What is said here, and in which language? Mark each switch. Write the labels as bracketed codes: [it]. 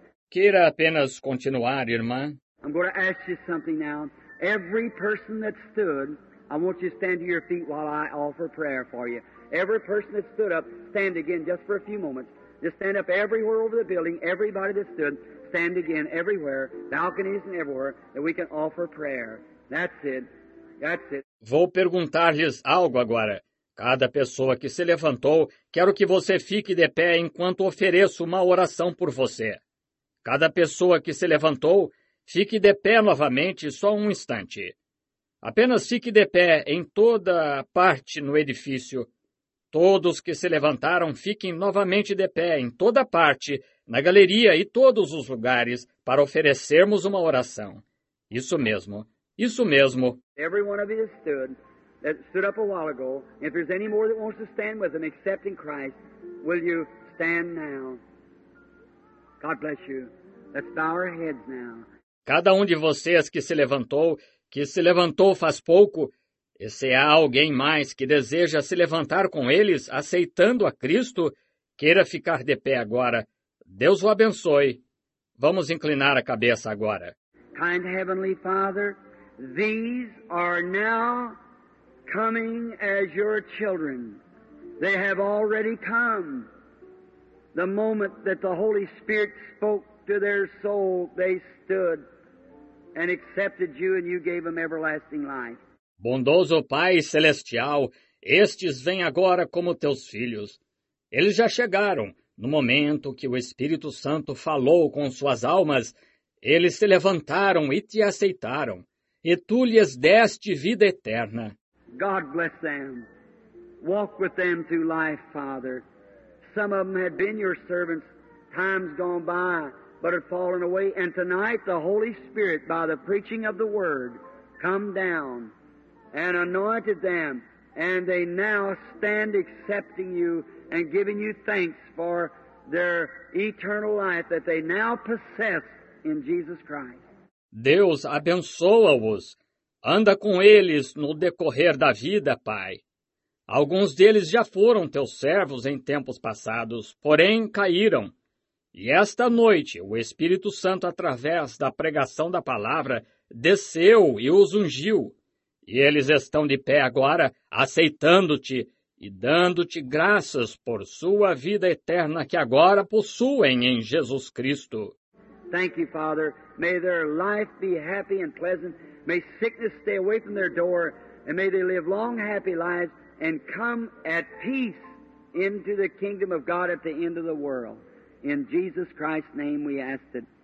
[pt] Queira apenas continuar, irmã. [en] I'm going to ask you something now. Every person that stood, I want you to stand to your feet while I offer prayer for you. Every person that stood up, stand again just for a few moments. Just stand up everywhere over the building, everybody that stood, stand again everywhere, balconies and everywhere, that we can offer prayer. That's it. That's it. [pt] Vou perguntar-lhes algo agora. Cada pessoa que se levantou, quero que você fique de pé enquanto ofereço uma oração por você. Cada pessoa que se levantou, fique de pé novamente, só um instante. Apenas fique de pé em toda parte no edifício. Todos que se levantaram, fiquem novamente de pé em toda parte, na galeria e todos os lugares, para oferecermos uma oração. Isso mesmo. Isso mesmo. [en] Every one of you stood up a while ago. If there's any more that wants to stand with him, accepting Christ, will you stand now? God bless you. Let's bow our heads now. [pt] Cada um de vocês que se levantou faz pouco, e se há alguém mais que deseja se levantar com eles, aceitando a Cristo, queira ficar de pé agora. Deus o abençoe. Vamos inclinar a cabeça agora. [en] Kind Heavenly Father, these are now coming as your children. They have already come. The moment that the Holy Spirit spoke to their soul, they stood. And accepted you and you gave them everlasting life. [pt] Bondoso Pai Celestial, estes vêm agora como teus filhos. Eles já chegaram. No momento que o Espírito Santo falou com suas almas, eles se levantaram e te aceitaram. E tu lhes deste vida eterna. [en] God bless them. Walk with them through life, Father. Some of them had been your servants times gone by. But had fallen away, and tonight the Holy Spirit, by the preaching of the Word, come down and anointed them, and they now stand accepting you and giving you thanks for their eternal life that they now possess in Jesus Christ. [pt] Deus abençoa-os. Anda com eles no decorrer da vida, Pai. Alguns deles já foram teus servos em tempos passados, porém caíram. E esta noite, o Espírito Santo, através da pregação da palavra, desceu e os ungiu. E eles estão de pé agora, aceitando-te e dando-te graças por sua vida eterna que agora possuem em Jesus Cristo. [en] Thank you, Father. May their life be happy and pleasant. May sickness stay away from their door. And may they live long, happy lives and come at peace into the kingdom of God at the end of the world. In Jesus Christ's name we ask it.